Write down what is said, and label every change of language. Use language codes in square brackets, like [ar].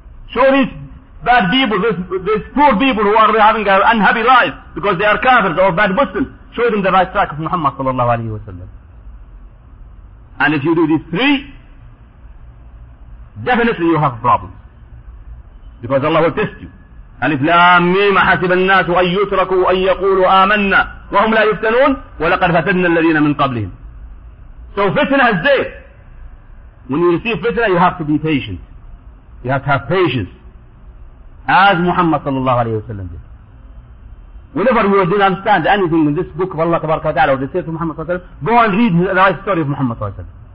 [en] Show these bad people, these poor people who are having an unhappy life because they are kafirs or bad Muslims. Show them the right track of Muhammad sallallahu alayhi wa sallam. And if you do these three, definitely you have problems. Because Allah will test you. [ar] ألف لام ميم حسب الناس أن يتركوا أن يقولوا آمنا وهم لا يفتنون ولقد فتنا الذين من قبلهم. [en] So fitna is there. When you receive fitna, you have to be patient. You have to have patience. As Muhammad صلى الله عليه وسلم did. Whenever you didn't understand anything in this book of Allah تبارك وتعالى or the sayings of Muhammad صلى الله عليه وسلم, go and read the life story of Muhammad صلى الله عليه وسلم.